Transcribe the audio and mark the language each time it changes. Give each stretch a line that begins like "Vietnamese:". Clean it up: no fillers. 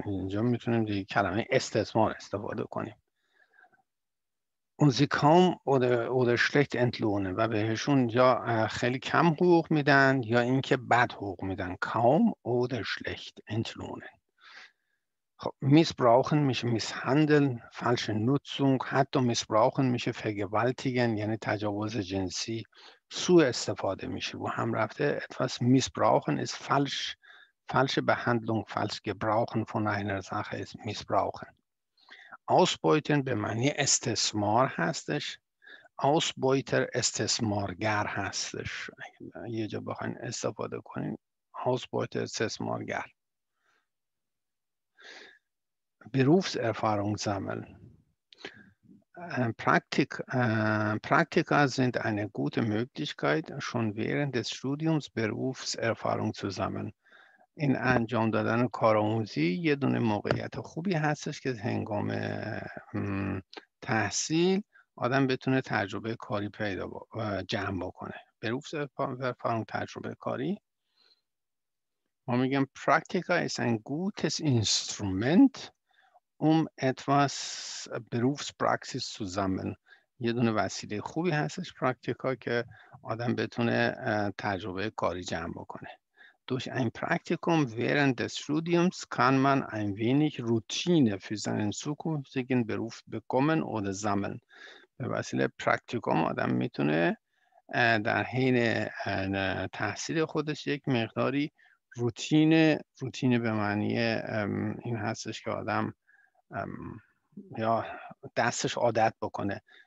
Persian: اینجا میتونیم دیگه کلمه استثمار استفاده کنیم.
German: Und sie kaum oder schlecht entlohnen.
Persian: و بهشون یا خیلی کم حقوق میدن یا اینکه بد حقوق میدن.
German: Kaum oder schlecht entlohnen.
Persian: Missbrauchen میشه
German: misshandeln, falsche Nutzung,
Persian: حتی missbrauchen میشه vergewaltigen، یعنی تجاوز جنسی، سوء استفاده میشه و هم رفته.
German: Etwas missbrauchen ist falsch, falsche Behandlung, falsch gebrauchen von einer Sache ist missbrauchen.
Persian: Ausbeuten به معنی استثمار هستش. Ausbeuter استثمارگر هستش. یه جا بخواین استفاده کنین. Ausbeuter استثمارگر.
German: Berufserfahrung sammeln. Praktika sind eine gute Möglichkeit, schon während des Studiums Berufserfahrung zu sammeln.
Persian: In انجام دادن کارآموزی یه دونه موقعیت خوبی هستش که هنگام تحصیل آدم بتونه تجربه کاری پیدا جمع بکنه. Berufserfahrung تجربه کاری. ما میگم
German: Praktika ist ein gutes Instrument etwas Berufspraxis zu sammeln.
Persian: یه دونه وسیله خوبی هستش پراکتیکا که آدم بتونه تجربه کاری جمع بکنه.
German: Durch ein Praktikum während des Studiums kann man ein wenig Routine für seinen zukünftigen Beruf bekommen oder sammeln.
Persian: به وسیله پراکتیکوم آدم میتونه در حین تحصیل خودش یک مقداری روتینه به معنی این هستش که آدم یا دستش عادت بکنه